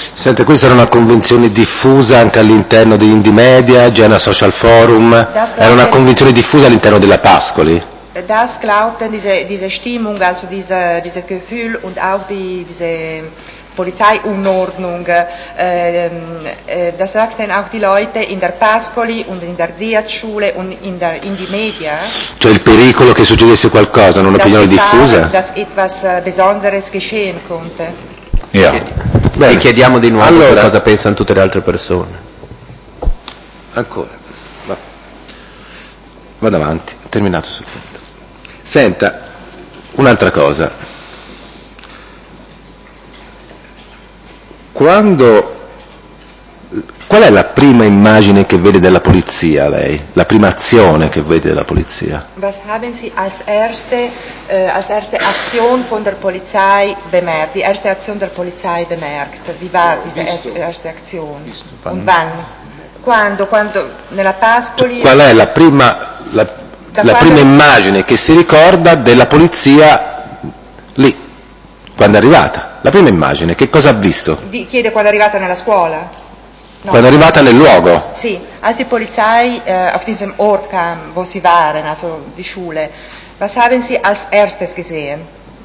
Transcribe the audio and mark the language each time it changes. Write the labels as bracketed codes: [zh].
[it] Senta, questa era una convinzione diffusa anche all'interno di Indie Media, Jena Social Forum. Era una convinzione diffusa all'interno della Pascoli. [de] Das glaubten diese Stimmung, also diese Gefühl und auch diese Polizeiunordnung, das sagten auch die Leute in der Pascoli und in der Diaz-Schule und in die Media. [it] Cioè il pericolo che succedesse qualcosa, non un'opinione diffusa. [de] Dass etwas Besonderes geschehen konnte. Ja. [it] Bene. E chiediamo di nuovo allora, cosa pensano tutte le altre persone. Ancora. Vado avanti, terminato sul punto. Senta, un'altra cosa. Quando, qual è la prima immagine che vede della polizia lei? La prima azione che vede della polizia? [de] Was haben Sie als erste Aktion von der Polizei bemerkt? Die erste Aktion der Polizei bemerkt. Wie war diese erste Aktion? Und wann? [it] Quando nella Pascoli? Qual è la prima prima immagine che si ricorda della polizia lì, quando è arrivata? La prima immagine, che cosa ha visto? Chiede quando è arrivata nella scuola. No. Quando è arrivata nel luogo. [de] Sì, als die Polizei auf diesem Ort kam, wo sie waren, also die Schule, was haben Sie als erstes gesehen?